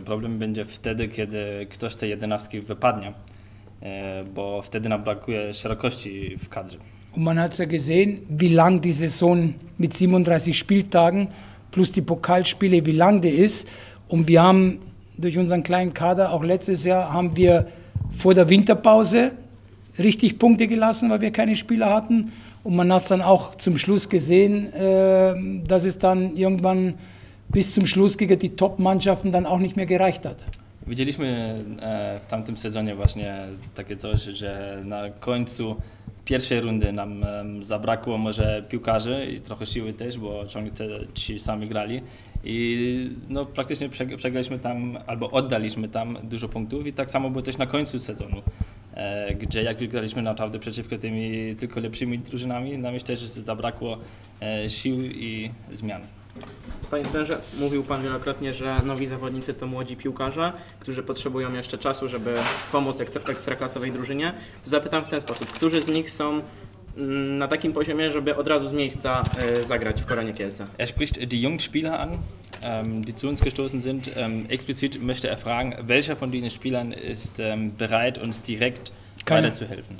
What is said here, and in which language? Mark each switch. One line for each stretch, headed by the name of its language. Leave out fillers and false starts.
Polish: Problem będzie wtedy, kiedy ktoś z tej jedenastki wypadnie, bo wtedy nam brakuje szerokości w kadrze.
German: Und man hat ja gesehen, wie lang die Saison mit 37 Spieltagen plus die Pokalspiele, wie lang die ist. Und wir haben durch unseren kleinen Kader, auch letztes Jahr, haben wir vor der Winterpause richtig Punkte gelassen, weil wir keine Spieler hatten. Und man hat es dann auch zum Schluss gesehen, dass es dann irgendwann bis zum Schluss gegen die Top-Mannschaften dann auch nicht mehr gereicht hat.
Polish: Widzieliśmy w tamtym sezonie właśnie takie coś, że na końcu pierwszej rundy nam zabrakło może piłkarzy i trochę siły też, bo ciągle ci sami grali. I no, praktycznie przegraliśmy tam, albo oddaliśmy tam dużo punktów i tak samo było też na końcu sezonu, gdzie jak wygraliśmy naprawdę przeciwko tymi tylko lepszymi drużynami, nam jeszcze też zabrakło sił i zmian. Panie trenerze, mówił pan wielokrotnie, że nowi zawodnicy to młodzi piłkarze, którzy potrzebują jeszcze czasu, żeby pomóc ekstraklasowej drużynie. Zapytam w ten sposób, którzy z nich są na takim poziomie, żeby od razu z miejsca zagrać w Koronie Kielce.
German: Er spricht die jungen Spieler an, die zu uns gestoßen sind. Explizit möchte er fragen, welcher von diesen Spielern ist bereit, uns direkt weiterzuhelfen?